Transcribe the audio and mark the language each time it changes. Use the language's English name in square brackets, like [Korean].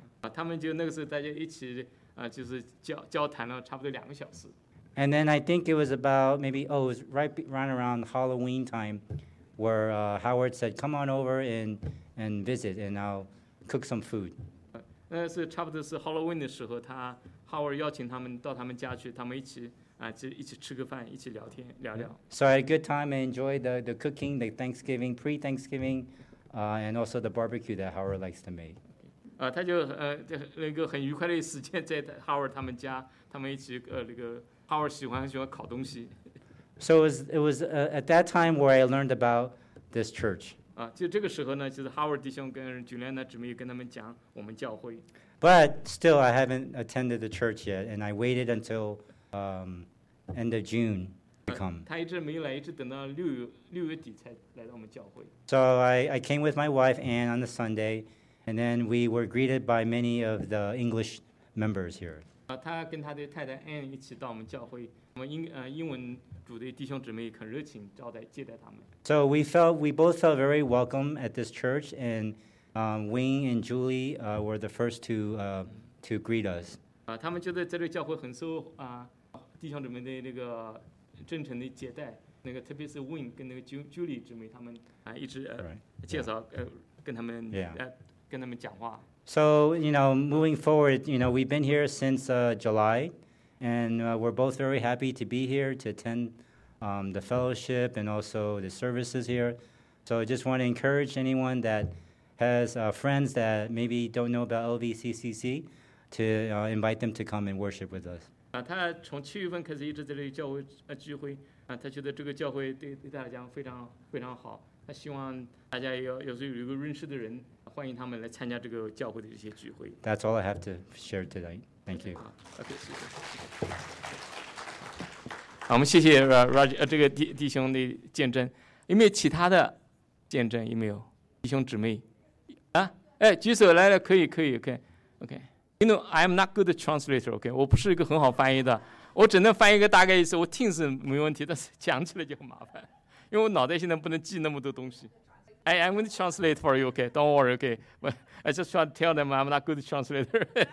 [Chinese] 他们就那个时候大家一起就是交谈了差不多2个小时。 [English] And then I think it was about maybe, oh, it was right around Halloween time where Howard said, come on over and visit and I'll cook some food. [Chinese] 那是差不多是 Halloween 的时候，他 Howard 邀请他们到他们家去，他们一起就一起吃个饭，一起聊天聊聊。 [English] So I had a good time and enjoyed the cooking, the Thanksgiving, pre-Thanksgiving, and also the barbecue that Howard likes to make. [Chinese] 他就那个很愉快的时间在 Howard 他们家，他们一起那个 Howard 喜欢烤东西。 [English] So it was at that time where I learned about this church. [Chinese] 啊，就这个时候呢，就是 Howard 弟兄跟 Juliana 姊妹跟他们讲我们教会。 [English] But still, I haven't attended the church yet, and I waited until end of June to come. [Chinese] 他一直没来，一直等到六月底才来到我们教会。 [English] So I came with my wife Anne on the Sunday. And then we were greeted by many of the English members here. [Chinese] 他跟他的太太 Anne 一起到我们教会，我们英文组的弟兄姊妹很热情接待他们。 [English] So we both felt very welcome at this church, and Wing and Julie were the first to greet us. [Chinese] 他们觉得在这个教会很受弟兄姊妹的那个真诚的接待，那个特别是 Wing 跟那个 Julie 姊妹他们一直介绍跟他们。跟他们讲话。 [English] So, you know, moving forward, you know, we've been here since July, and we're both very happy to be here to attend the fellowship and also the services here. So I just want to encourage anyone that has friends that maybe don't know about LVCCC to invite them to come and worship with us. [Chinese] 他从七月份开始一直在这里教会聚会，他觉得这个教会对大家非常非常好，他希望大家有一个认识的人。欢迎他们来参加这个教会的这些聚会。 [English] That's all I have to share today. Thank you. [Chinese] Okay, 谢谢。好，我们谢谢这个弟兄的见证。有没有其他的见证？有没有弟兄姊妹？啊，哎，举手来了，可以 ，OK。 [English] You know, I'm not good translator. [Chinese] OK, 我不是一个很好翻译的，我只能翻译一个大概意思。我听是没问题，但是讲起来就很麻烦，因为我脑袋现在不能记那么多东西。 [English] I'm going to translate for you, okay? Don't worry, okay? But I just want to tell them I'm not a good translator.